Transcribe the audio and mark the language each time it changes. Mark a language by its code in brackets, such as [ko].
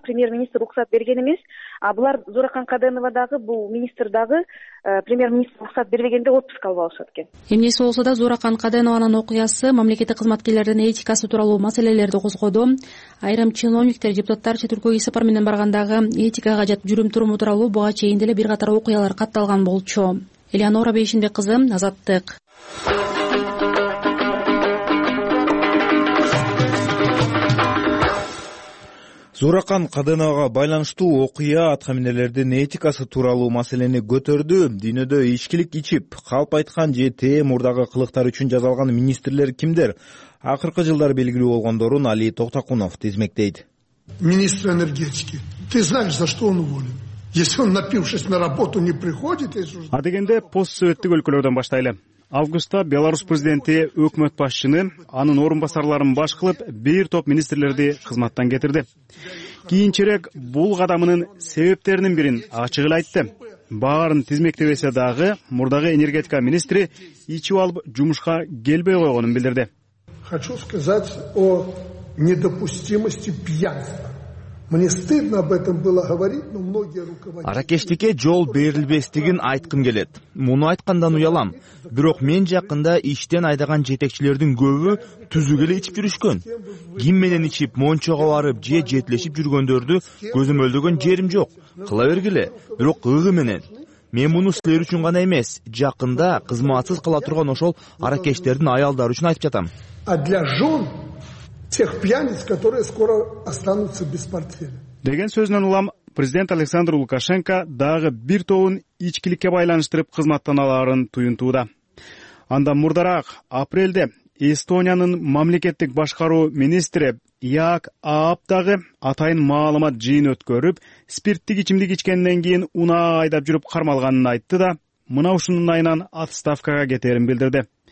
[ky] Премьер-министр уруксат берген эмес. А булар Зууракан Каденова дагы, бул министр дагы премьер-министр уруксат бербегенде отпуск алып алышат экен. Эмнеси болсо да Зууракан Каденованын окуясы мамлекеттик кызматкерлердин этикасы тууралуу маселелерди козгоду. Айрым чиновниктер, депутаттар чет өлкөгө сапар менен баргандагы этикага жат жүрүм туруму тууралуу буга чейин деле бир катар окуялар катталган болчу. Элеонора Бейшинбек кызы, Азаттык. Зууракан Каденовага байланыштуу окуя атканминерлердин этикасы тууралуу маселени көтөрдү. Дүйнөдө ичкилик ичип, калп айткан же ТМ урдагы кылыктар үчүн жазалган министрлер кимдер? Акыркы жылдары белгилүү болгондорун Али Токтокунов тизмектейт. [ru] Министр энергетики. Ты знаешь, за что он уволен? Если он напившись на работу не приходит, если... [ky] А дегенде постсоветтик өлкөлөрдөн баштайлы. Августта Беларусь президенти өкмөт башчыны анын орун басарларын баш кылып бир топ министрлерди кызматтан кетирди. Кийинчерээк бул кадамынын себептеринин бирин ачык эле айтты. Баарын тизмектебесе дагы мурдагы энергетика министри ичип алып жумушка келбей койгонун билдирди. [ru] Хочу сказать о недопустимости пьянства. Мне стыдно об этом было говорить, но многие руководители [ky] Аракештике жол берилбестигин айткым келет. Муну айткандан уялам. Бирок мен жакында иштен айдаган жетекчилердин көбү түзүк эле ичип жүрүшкөн. Ким менен ичип, мончого барып же жетлешип жүргөндөрдү көзөмөлдөгөн жерим жок. Кыла бергиле, бирок ыгы менен. Мен муну силер үчүн гана эмес, жакында кызматсыз кала турган ошол аракештердин аялдары үчүн айтып жатам. [ru] А для жон тех пьяниц, которые скоро останутся без портфеля. [ky] Деген сөзүнөн улам президент Александр Лукашенко дагы бир тобун ичкиликке байланыштырып кызматтан аларын туюнтууда. Анда мурдараак апрелде Эстониянын мамлекеттик башкаруу министри Яак Аап дагы атайын маалымат жыйын өткөрүп, спирттик ичимдик ичкенден кийин унаа айдап жүрүп кармалганын айтты да, мына ушунун айынан отставкага кетерин билдирди.